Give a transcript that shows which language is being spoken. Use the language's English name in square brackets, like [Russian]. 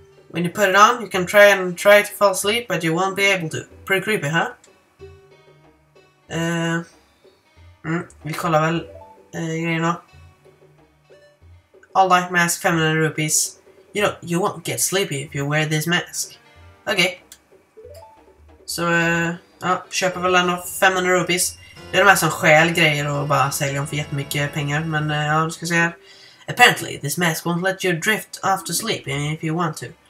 [English] When you put it on, you can try to fall asleep, but you won't be able to. Pretty creepy, huh? [Swedish] Vi kollar väl grejerna. All night mask, 500 rupees. [English] You know, you won't get sleepy if you wear this mask. Okay. [Swedish] Så, ja, köper väl ändå 500 rupees. Det är de här som stjäl grejer och bara säljer dem för jättemycket pengar, men ja, du ska säga. [English] Apparently, this mask won't let you drift off to sleep if you want to.